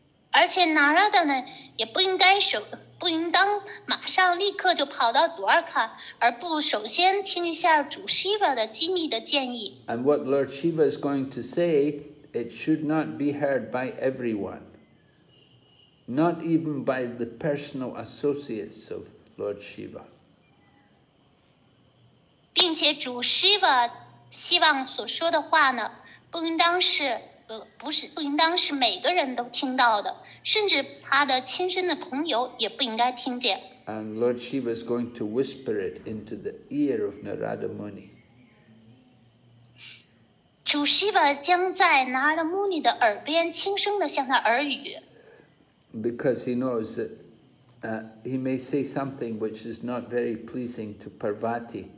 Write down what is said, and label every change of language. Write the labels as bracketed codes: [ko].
[zh] 而且 Narada 呢，也不应该首，不应当马上立刻就跑到 Dwarka， 而不首先听一下主 Shiva 的机密的建议。 [en] And what Lord Shiva is going to say, it should not be heard by everyone, not even by the personal associates of Lord Shiva. [zh] 并且主 Shiva 希望所说的话呢，不应当是不应当是每个人都听到的，甚至他的亲生的朋友也不应该听见。 [en] And Lord Shiva is going to whisper it into the ear of Narada Muni. [zh] 主 Shiva 将在 Narada Muni 的耳边轻声的向他耳语。 [en] Because he knows that, he may say something which is not very pleasing to Parvati.